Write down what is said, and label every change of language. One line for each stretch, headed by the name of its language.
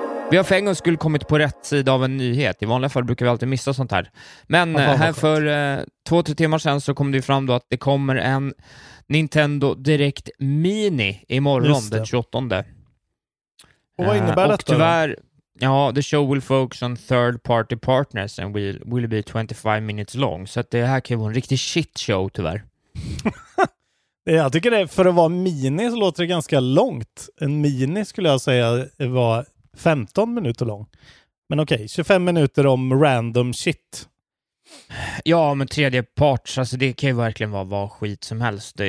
Swedish: Vi har för en gång skulle kommit på rätt sida av en nyhet. I vanliga fall brukar vi alltid missa sånt här. Men här för 2-3 timmar sedan så kom det fram då att det kommer en Nintendo Direct Mini imorgon den 28. Och vad innebär detta? Tyvärr, ja,
English: the show will focus on third party partners and will be 25 minutes long.
Swedish: Så att det här kan vara en riktig shit show tyvärr. Jag tycker det, för att vara mini så låter det ganska långt. En mini skulle jag säga var 15 minuter lång. Men okej, 25 minuter om random shit. Ja, men tredje parts, alltså det kan ju verkligen vara vad skit som helst.